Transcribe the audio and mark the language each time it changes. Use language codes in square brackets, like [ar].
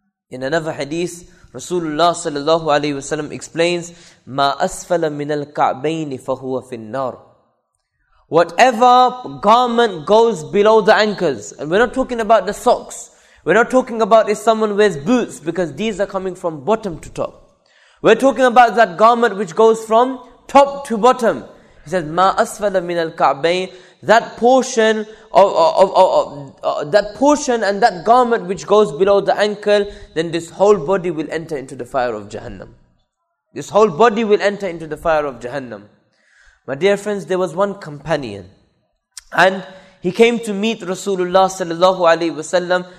[en] In another hadith, Rasulullah sallallahu alayhi wa sallam explains, [ar] مَا أَسْفَلَ مِنَ الْكَعْبَيْنِ فَهُوَ فِي النَّارِ. [en] Whatever garment goes below the ankles, and we're not talking about the socks, we're not talking about if someone wears boots, because these are coming from bottom to top. We're talking about that garment which goes from top to bottom. He says, [ar] مَا أَسْفَلَ مِنَ الْكَعْبَيْنِ. [en] That portion of that portion and that garment which goes below the ankle, then this whole body will enter into the fire of Jahannam. This whole body will enter into the fire of Jahannam. My dear friends, there was one companion, and he came to meet Rasulullah sallallahu alaihi wasallam.